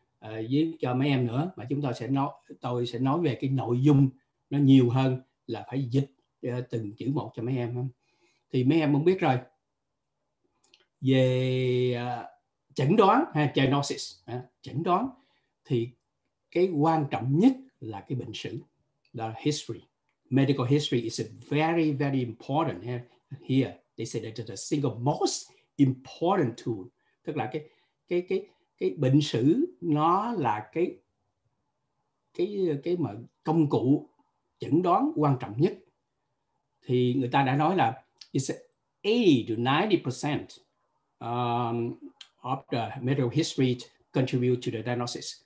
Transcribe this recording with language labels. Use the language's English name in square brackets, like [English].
[Vietnamese] với cho mấy em nữa, mà chúng tôi sẽ nói, tôi sẽ nói về cái nội dung nó nhiều hơn là phải dịch từng chữ một cho mấy em. Thì mấy em cũng biết rồi, về chẩn đoán hay diagnosis, chẩn đoán thì cái quan trọng nhất là cái bệnh sử, là history. [English] Medical history is very, very important here. They say that it's the single most important tool. [Vietnamese] Tức là cái bệnh sử nó là cái mà công cụ chẩn đoán quan trọng nhất. Thì người ta đã nói là [English] it's 80-90% of the medical history contribute to the diagnosis.